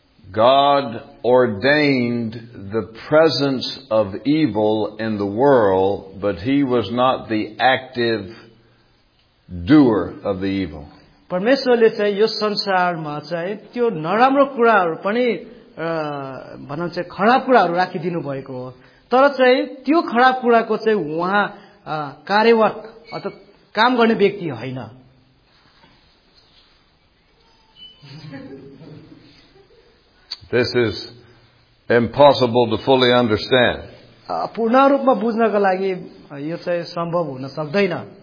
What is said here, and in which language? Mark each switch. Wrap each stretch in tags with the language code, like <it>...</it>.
<en>God ordained the presence of evil in the world, but he was not the active doer of the evil.</en> <ne>परमेश्वरले चाहिँ यो संसारमा चाहिँ त्यो नराम्रो कुराहरु पनि भन्नु चाहिँ खराब कुराहरु राखिदिनु भएको हो तर चाहिँ त्यो खराब कुराको चाहिँ उहाँ कार्यवर्त अथवा काम गर्ने व्यक्ति होइन.</ne> <en>This is impossible to fully understand.</en> <ne>पूर्ण रूपमा बुझ्नको लागि यो चाहिँ सम्भव हुन सक्दैन.</ne>